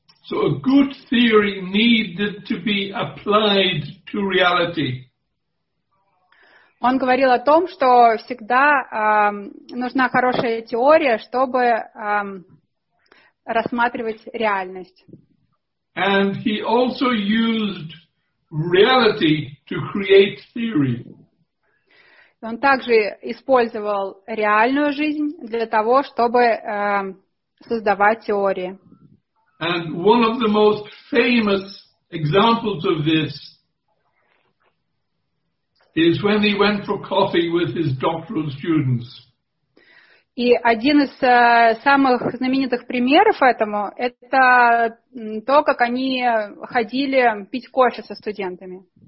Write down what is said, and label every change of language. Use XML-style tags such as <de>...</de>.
<en>So a good theory needed to be applied to reality.</en> <ru>Он говорил о том, что всегда нужна хорошая теория, чтобы рассматривать реальность.</ru> <en>And he also used reality to create theory.</en> <ru>Он также использовал реальную жизнь для того, чтобы создавать теории.</ru> <en>And one of the most famous examples of this is when he went for coffee with his doctoral students.</en> <ru>И один из самых знаменитых примеров этому – это то, как они ходили пить кофе со студентами.</ru>